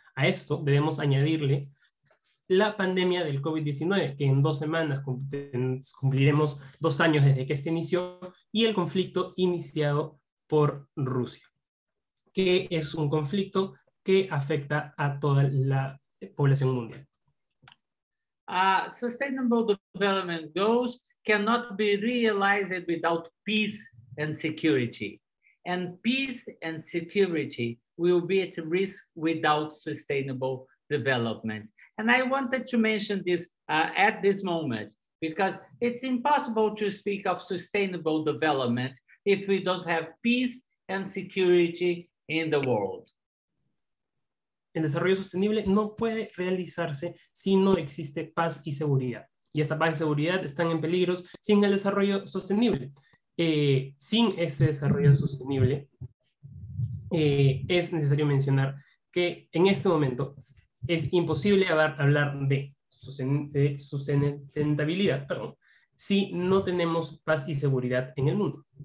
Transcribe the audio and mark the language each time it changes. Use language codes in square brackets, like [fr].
[es] A esto debemos añadirle la pandemia del COVID-19, que en 2 semanas cumpliremos 2 años desde que este inició, y el conflicto iniciado por Rusia, que es un conflicto que afecta a toda la población mundial. [en] Sustainable development goals cannot be realized without peace and security. And peace and security will be at risk without sustainable development. And I wanted to mention this at this moment, because it's impossible to speak of sustainable development if we don't have peace and security in the world. [es] El desarrollo sostenible no puede realizarse si no existe paz y seguridad. Y esta paz y seguridad están en peligro sin el desarrollo sostenible. Sin este desarrollo sostenible, es necesario mencionar que en este momento es imposible hablar de sustentabilidad, perdón, si no tenemos paz y seguridad en el mundo.